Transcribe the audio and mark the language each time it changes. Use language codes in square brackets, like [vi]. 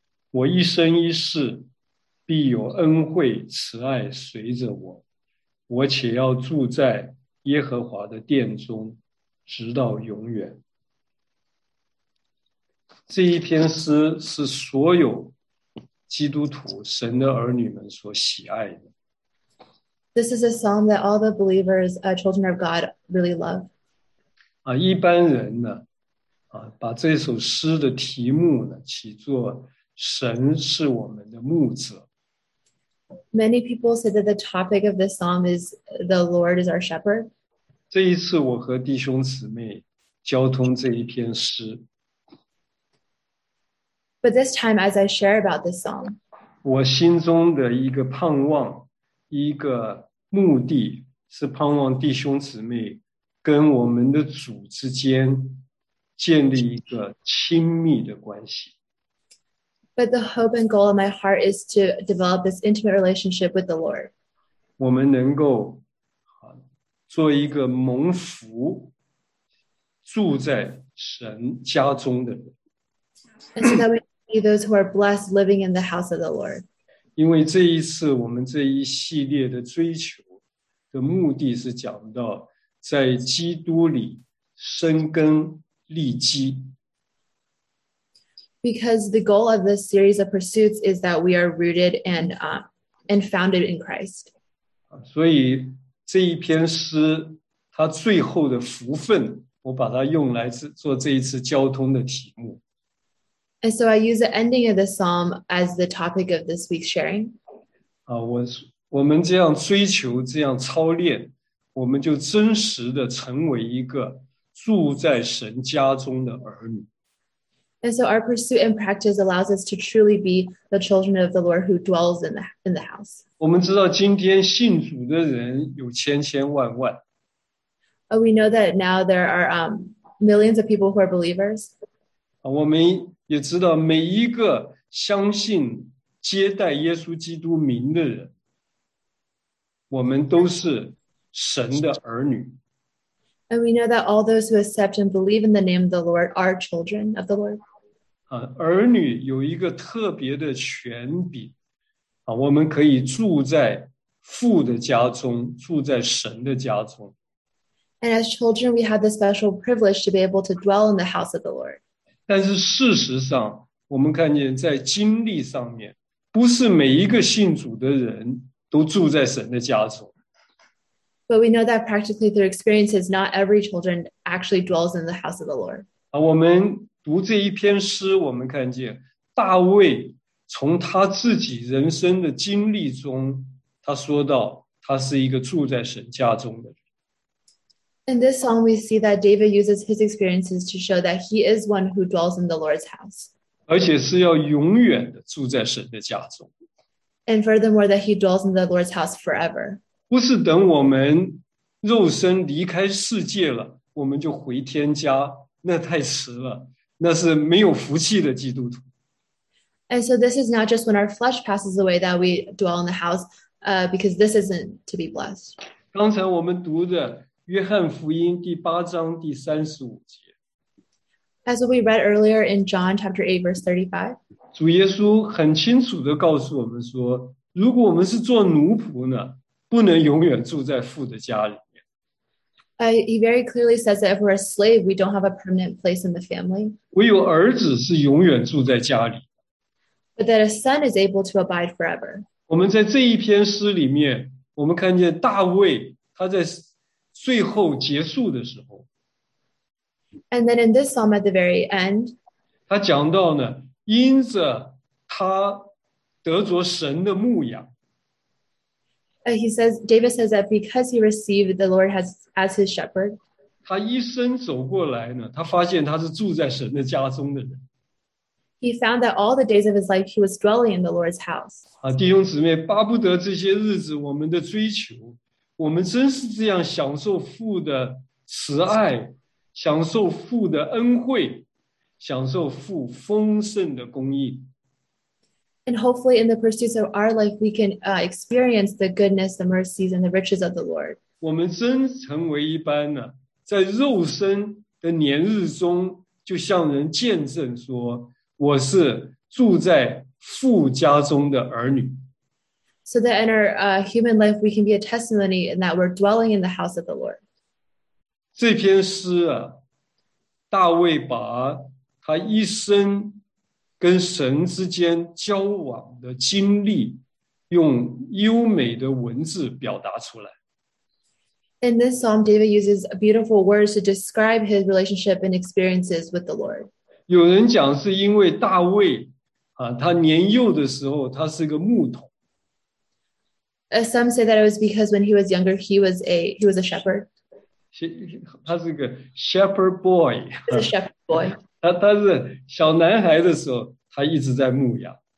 [zh] 我一生一世必有恩惠慈爱随着我，我且要住在耶和华的殿中，直到永远。这一篇诗是所有基督徒神的儿女们所喜爱的。 [en] This is a psalm that all the believers, children of God, really love. [zh] 啊，一般人呢，啊，把这首诗的题目呢，起作“神是我们的牧者 [en] Many people say that the topic of this psalm is the Lord is our shepherd. ”。 [zh] 这一次，我和弟兄姊妹交通这一篇诗， [en] But this time, as I share about this psalm, [zh] 我心中的一个盼望，一个目的是盼望弟兄姊妹。跟我们的主之间建立一个亲密的关系。 [en] But the hope and goal of my heart is to develop this intimate relationship with the Lord. [zh] 我们能够做一个蒙福住在神家中的 [en] And so that we can be those who are blessed living in the house of the Lord. [zh] 因为这一次我们这一系列的追求的目的是讲到。在基督里生根立基， [en] Because the goal of this series of pursuits is that we are rooted and founded in Christ. [zh] 所以这一篇诗它最后的福分，我把它用来做这一次交通的题目。 [en] And so I use the ending of the psalm as the topic of this week's sharing. [zh] 我们这样追求，这样操练。我们就真实的成为一个住在神家中的儿女。 [en] And so our pursuit and practice allows us to truly be the children of the Lord who dwells in the house. [zh] 我们知道今天信主的人有千千万万。 [en] Oh, we know that now there are millions of people who are believers. [zh] 我们也知道每一个相信接待耶稣基督名的人，我们都是。神的儿女， [en] And we know that all those who accept and believe in the name of the Lord are children of the Lord. [zh] 儿女有一个特别的权柄，我们可以住在父的家中，住在神的家中。 [en] And as children, we have the special privilege to be able to dwell in the house of the Lord. [zh] 但是事实上，我们看见在经历上面，不是每一个信主的人都住在神的家中。 [en] But we know that practically through experiences, not every children actually dwells in the house of the Lord. [zh] 我们读这一篇诗，我们看见大卫从他自己人生的经历中，他说到他是一个住在神家中的人。 [en] In this song, we see that David uses his experiences to show that he is one who dwells in the Lord's house. [zh] 而且是要永远的住在神的家中， [en] And furthermore, that he dwells in the Lord's house forever. [zh] 不是等我们肉身离开世界了，我们就回天家。那太迟了，那是没有福气的基督徒。 [en] And so this is not just when our flesh passes away that we dwell in the house, because this isn't to be blessed. [zh] 刚才我们读的《约翰福音》第八章第35节， [en] As we read earlier in John chapter 8, verse 35, [zh] 主耶稣很清楚的告诉我们说，如果我们是做奴仆呢，不能永远住在父的家里。 [en] he very clearly says that if we're a slave, we don't have a permanent place in the family. [zh] 唯有儿子是永远住在家里。 [en] But that a son is able to abide forever. [zh] 我们在这一篇诗里面，我们看见大卫他在最后结束的时候， [en] And then in this psalm at the very end, [zh] 他讲到呢，因着他得着神的牧养。 [en] David says that because he received the Lord as his shepherd, [zh] 他一生走过来呢，他发现他是住在神的家中的人。 [en] he found that all the days of his life he was dwelling in the Lord's house. [zh] 弟兄姊妹，巴不得这些日子我们的追求，我们真是这样享受父的慈爱，享受父的恩惠，享受父丰盛的供应。 [en] And hopefully, in the pursuits of our life, we can experience the goodness, the mercies, and the riches of the Lord. [zh] 我们真成为一般呢。在肉身的年日中，就向人见证说我是住在父家中的儿女。 [en] So that in our human life, we can be a testimony in that we're dwelling in the house of the Lord. [zh] 这篇诗啊，大卫把他一生跟神之间交往的经历用优美的文字表达出来。 [en] In this psalm, David uses beautiful words to describe his relationship and experiences with the Lord. [zh] 有人讲是因为大卫啊，他年幼的时候他是个牧童。 [en] Some say that it was because when he was younger, he was a shepherd. [zh] 他是个 [en] shepherd boy. He's a shepherd boy. [zh] 他是小男孩的时候，他一直在牧羊。